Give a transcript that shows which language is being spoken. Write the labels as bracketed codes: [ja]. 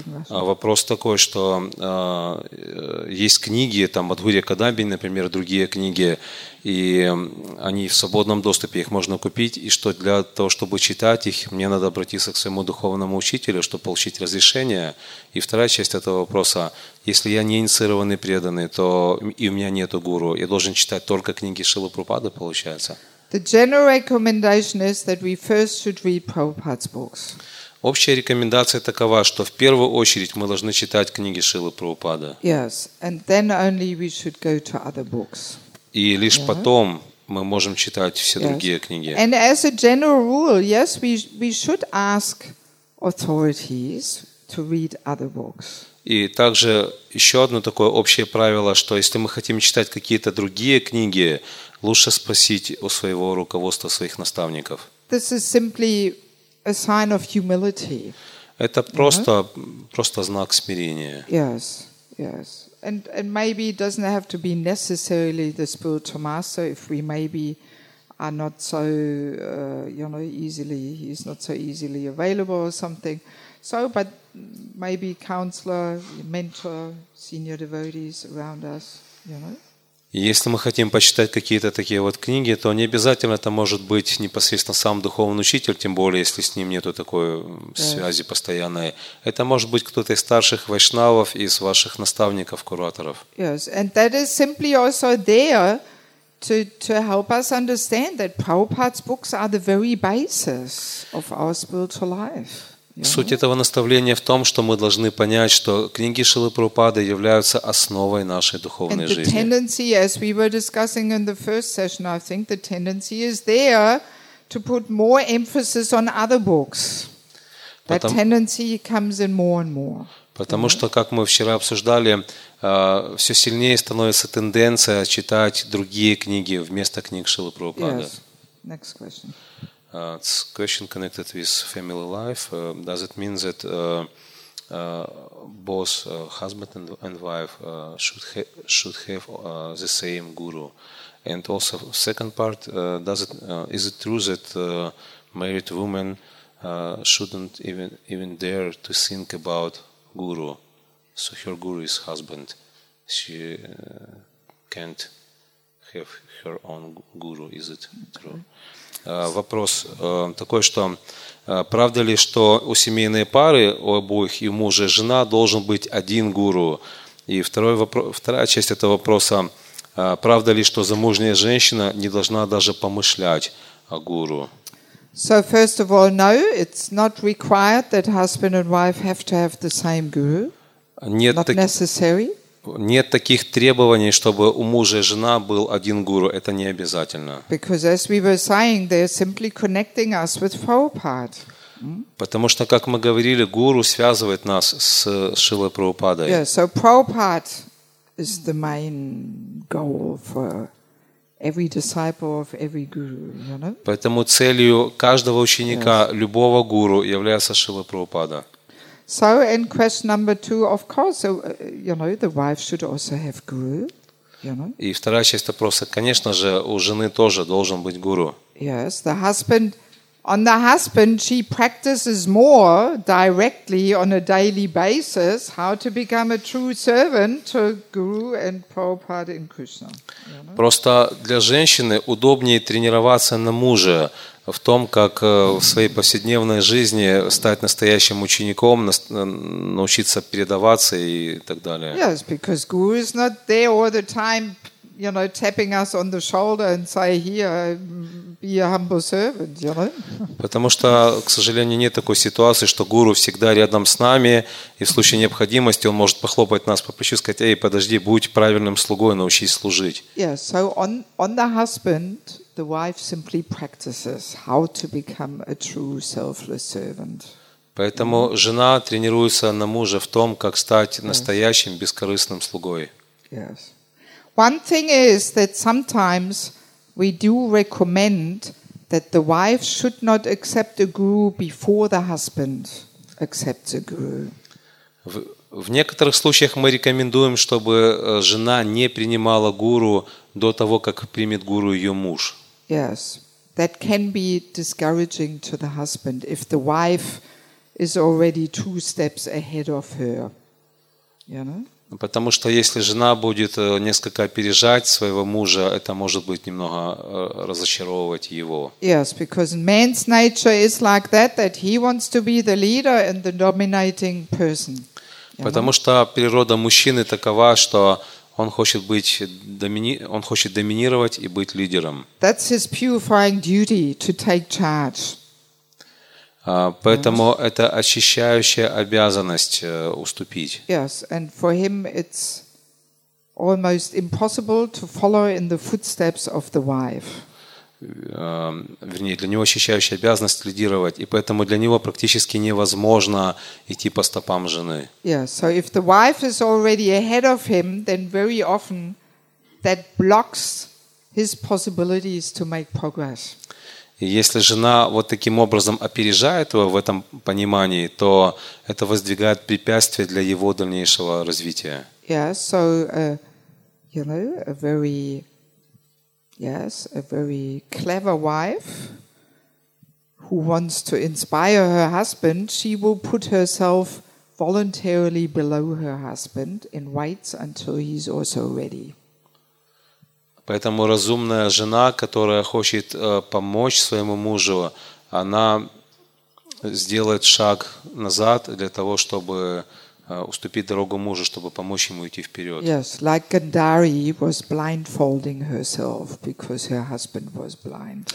[ru] Вопрос такой, что есть книги, там Мадхурья Кадамбини, например, другие книги, и они в свободном доступе, их можно купить, и что для того, чтобы читать их, мне надо обратиться к своему духовному учителю, чтобы получить разрешение. И вторая часть этого вопроса, если я не инициированный преданный, то и у меня нету гуру, я должен читать только книги Шрилы Прабхупады, получается? [en] The general recommendation is that we first should read Prabhupada's books. [ru] Общая рекомендация такова, что в первую очередь мы должны читать книги Шрилы Прабхупады. [en] Yes, and then only we should go to other books. [ru] И лишь потом мы можем читать все другие книги. [en] And as a general rule, yes, we should ask authorities to read other books. [ru] И также еще одно такое общее правило, что если мы хотим читать какие-то другие книги, лучше спросить у своего руководства, своих наставников. [en] This is simply a sign of humility. [ru] Это просто знак смирения. [en] Yes, yes. And maybe it doesn't have to be necessarily the spiritual master if we maybe are not so, you know, easily, he's not so easily available or something. So, but maybe counselor, mentor, senior devotees around us, you know. [ru] Если мы хотим почитать какие-то такие вот книги, то не обязательно это может быть непосредственно сам духовный учитель, тем более, если с ним нету такой связи постоянной. Это может быть кто-то из старших вайшнавов, из ваших наставников, кураторов. [en] Yes, and that is simply also there to help us understand that Prabhupada's books are the very basis of our spiritual life. [ru] Суть этого наставления в том, что мы должны понять, что книги Шрилы Прабхупады являются основой нашей духовной жизни. [en] And the tendency, as we were discussing in the first session, I think the tendency is there to put more emphasis on other books. That tendency comes in more and more. [ru] Потому что, как мы вчера обсуждали, все сильнее становится тенденция читать другие книги вместо книг Шрилы Прабхупады. [en] Yes. Next question. It's a question connected with family life. Does it mean that both husband and wife should have the same guru? And also, second part, is it true that married women shouldn't even dare to think about guru? So her guru is husband. She can't have her own guru. Is it true? [ru] Вопрос такой, что правда ли, что у семейной пары, у обоих, и у мужа, и жена, должен быть один гуру? И второй вопрос, вторая часть этого вопроса, правда ли, что замужняя женщина не должна даже помышлять о гуру? [en] So, first of all, no, it's not required that husband and wife have to have the same guru. Not necessary. [ru] Нет таких требований, чтобы у мужа и жена был один гуру. Это не обязательно. [en] Because as we were saying, they're simply connecting us with Prabhupada. [ru] Потому что, как мы говорили, гуру связывает нас с Шрилой Прабхупадой. [en] Yeah, so Prabhupada is the main goal for every disciple of every guru, you know? [ru] Поэтому целью каждого ученика, любого гуру, является Шрила Прабхупада. [en] So, and question number two, of course, you know, the wife should also have guru, you know. [ru] И вторая часть вопроса, конечно же, у жены тоже должен быть гуру. [en] Yes, the husband, on the husband, she practices more directly on a daily basis how to become a true servant to guru and Prabhupada and Krishna. [ru] Просто для женщины удобнее тренироваться на муже, в том, как в своей повседневной жизни стать настоящим учеником, научиться передаваться и так далее. [en] Yes, because guru is not there all the time, you know, tapping us on the shoulder and say, here, be a humble servant, you know. [ru] Потому что, к сожалению, нет такой ситуации, что гуру всегда рядом с нами, и в случае необходимости он может похлопать нас по плечу и сказать, эй, подожди, будь правильным слугой, научись служить. [en] Yes, so on the husband, the wife simply practices how to become a true selfless servant. [ru] Поэтому жена тренируется на муже в том, как стать настоящим бескорыстным слугой. [en] Yes. One thing is that sometimes we do recommend that the wife should not accept a guru before the husband accepts a guru. [ru] В некоторых случаях мы рекомендуем, чтобы жена не принимала гуру до того, как примет гуру ее муж. [en] Yes, that can be discouraging to the husband if the wife is already two steps ahead of her. You know? [ru] Потому что если жена будет несколько опережать своего мужа, это может быть немного разочаровывать его. [en] Yes, because man's nature is like that he wants to be the leader and the dominating person. [ru] Потому что природа мужчины такова, что он хочет быть он хочет доминировать и быть лидером. [en] That's his purifying duty to take charge. [ru] Поэтому это очищающая обязанность уступить. [en] Yes, and for him it's almost impossible to follow in the footsteps of the wife. [ru] Вернее, для него очищающая обязанность лидировать, и поэтому для него практически невозможно идти по стопам жены. [en] Yes, so if the wife is already ahead of him, then very often that blocks his possibilities to make progress. [ru] И если жена вот таким образом опережает его в этом понимании, то это воздвигает препятствие для его дальнейшего развития. [en] Yes, so, you know, a very clever wife who wants to inspire her husband, she will put herself voluntarily below her husband and waits until he's also ready. [ru] Поэтому разумная жена, которая хочет помочь своему мужу, она сделает шаг назад для того, чтобы уступить дорогу мужу, чтобы помочь ему идти вперед. [en] Yes, like Gandhari was blindfolding herself because her husband was blind.